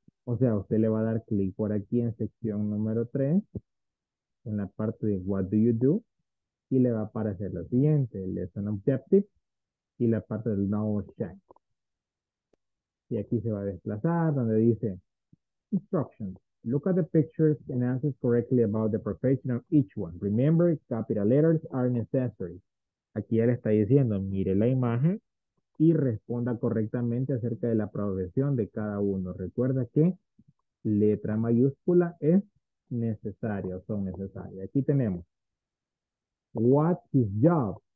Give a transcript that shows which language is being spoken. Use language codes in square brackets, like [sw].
[es] O sea, usted le va a dar clic por aquí en sección número 3, en la parte de [en] What do you do? [es] Y le va a aparecer lo siguiente, el lesson objective y la parte del knowledge check. Y aquí se va a desplazar donde dice Instructions. [en] Look at the pictures and answer correctly about the profession of each one. Remember, capital letters are necessary. [es] Aquí él está diciendo, mire la imagen y responda correctamente acerca de la profesión de cada uno. Recuerda que letra mayúscula es necesaria, son necesarias. Aquí tenemos, [en] what is job?